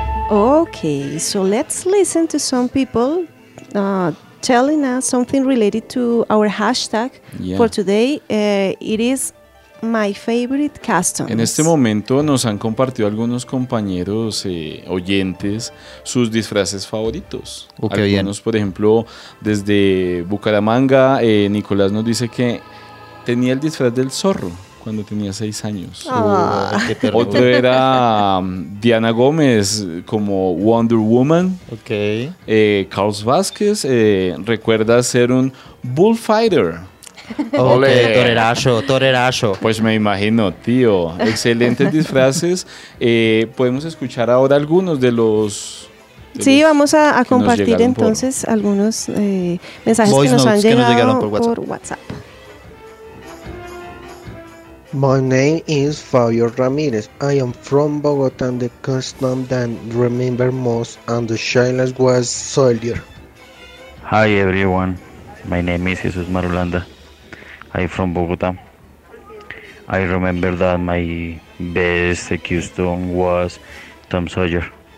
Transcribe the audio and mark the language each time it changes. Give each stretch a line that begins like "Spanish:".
English: Okay, so let's listen to some people telling us something related to our hashtag for today. It is my favorite customs.
Spanish: En este momento nos han compartido algunos compañeros oyentes sus disfraces favoritos.
English: Okay,
Spanish: algunos, bien. Por ejemplo, desde Bucaramanga, Nicolás nos dice que tenía el disfraz del zorro cuando tenía 6 años. Oh, otro era Diana Gómez como Wonder Woman.
English: Okay.
Spanish: Carlos Vázquez recuerda ser un bullfighter. Okay, torerazo. Pues me imagino, tío. Excelentes disfraces. Podemos escuchar ahora algunos de los... Sí, vamos a compartir entonces algunos mensajes que nos han llegado por WhatsApp.
English: My name is Fabio Ramirez. I am from Bogotá, the custom that remember most and the shyness was soldier. Hi everyone, my name is Jesus Marulanda. I'm from Bogotá. I remember that my best custom was Tom Sawyer.